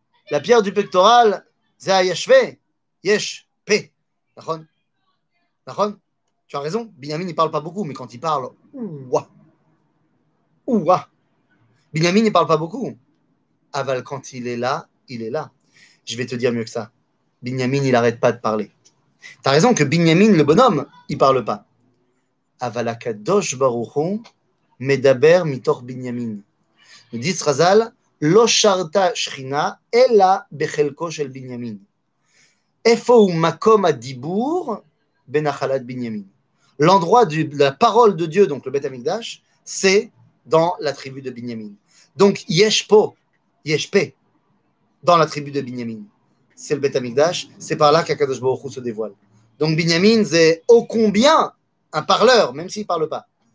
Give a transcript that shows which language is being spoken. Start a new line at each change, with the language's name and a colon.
French: La pierre du pectoral, Zéa Yashvé, Yesh, Pé, Nachon, Nachon, tu as raison, Binyamin ne parle pas beaucoup, mais quand il parle, ouah, ouah, Binyamin ne parle pas beaucoup, aval quand il est là, il est là. Je vais te dire mieux que ça, Binyamin, il n'arrête pas de parler. Tu as raison que Binyamin, le bonhomme, il ne parle pas.
Hebrew: Aval akadosh baruch hu, medaber mitor Binyamin.
French: Nous dit Srazal,
Hebrew: לא שרתה שכינה, אלא בחלקו של בנימין. איפה הוא מקום הדיבור בנחלת בנימין?
French: L'endroit de la parole de Dieu, donc le Beth Amikdash, c'est dans la tribu de Binyamin. Donc,
Hebrew: yesh po, yesh pe,
French: dans la tribu de Binyamin. C'est le Beth Amikdash, c'est par là qu'Akadosh Baruch Hu se dévoile. Donc, Binyamin, c'est ô combien un parleur, même s'il ne parle pas.